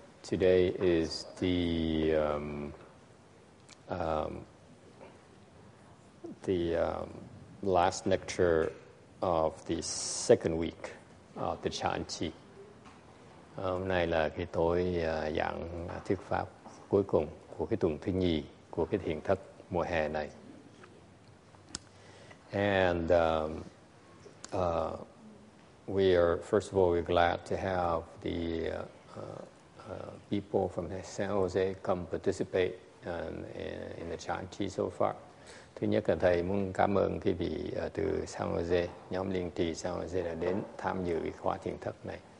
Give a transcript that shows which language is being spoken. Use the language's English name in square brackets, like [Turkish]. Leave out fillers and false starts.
[English] Today is the last lecture of the second week of the Chan Chi. [Vietnamese] Hôm nay là cái tối giảng thuyết pháp cuối cùng của cái tuần thứ nhì của cái thiền thất mùa hè này. [English] And we are, first of all, we're glad to have the people from San Jose come participate in the Chan Chi so far. [Vietnamese] Thứ nhất là thầy muốn cảm ơn quý vị từ San Jose, nhóm liên trì San Jose đã đến tham dự khóa thiền thất này.